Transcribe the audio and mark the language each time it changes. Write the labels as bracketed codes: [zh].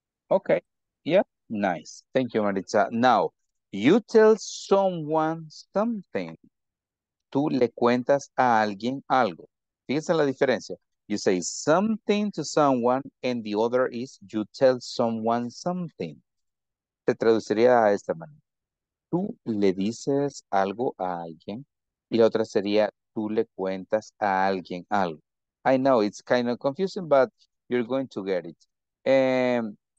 [en] Okay. Yeah. Nice. Thank you, Maritza. Now, you tell someone something. [es] Tú le cuentas a alguien algo. Fíjense la diferencia. [en] You say something to someone and the other is you tell someone something. [es] Se traduciría a esta manera. Tú le dices algo a alguien y la otra sería tú le cuentas a alguien algo. [en] I know it's kind of confusing, but you're going to get it.